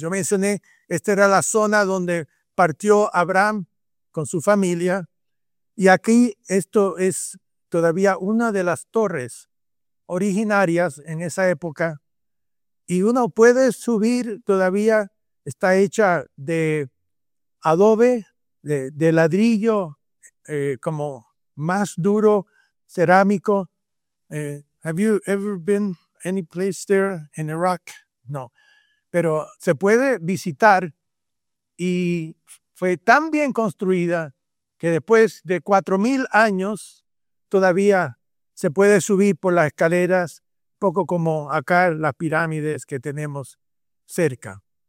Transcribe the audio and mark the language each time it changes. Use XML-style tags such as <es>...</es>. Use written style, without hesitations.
<es>Yo mencioné, esta era la zona donde partió Abraham con su familia, y aquí esto es todavía una de las torres originarias en esa época, y uno puede subir, todavía está hecha de adobe, de ladrillo, como más duro, cerámico.</es> <en>Have you ever been any place there in Iraq?</en> <es>No, pero se puede visitar y fue tan bien construida que después de 4.000 años todavía se puede subir por las escaleras, poco como acá las pirámides que tenemos cerca.</es>